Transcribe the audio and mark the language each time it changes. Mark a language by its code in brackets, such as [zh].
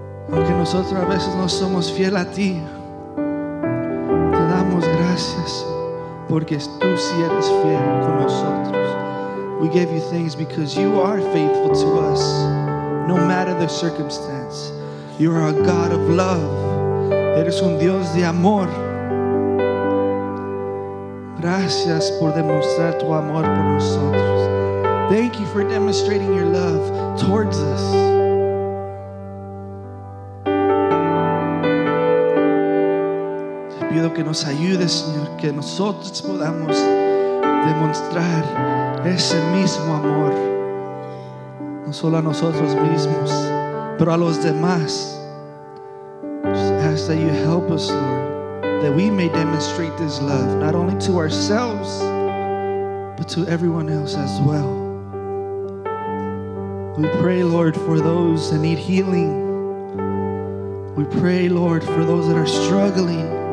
[es] Aunque nosotros a veces no somos fiel a ti. Te damos gracias porque tú sí eres fiel con nosotros. [en] We give you thanks because you are faithful to us, no matter the circumstance. You are a God of love. [es] Eres un Dios de amor. Gracias por demostrar tu amor por nosotros. [en] Thank you for demonstrating your love towards us. [es] Te pido que nos ayudes, Señor, que nosotros podamos demostrar ese mismo amor, no solo a nosotros mismos, pero a los demás. [en] Just ask that you help us, Lord, that we may demonstrate this love, not only to ourselves, but to everyone else as well. We pray, Lord, for those that need healing. We pray, Lord, for those that are struggling.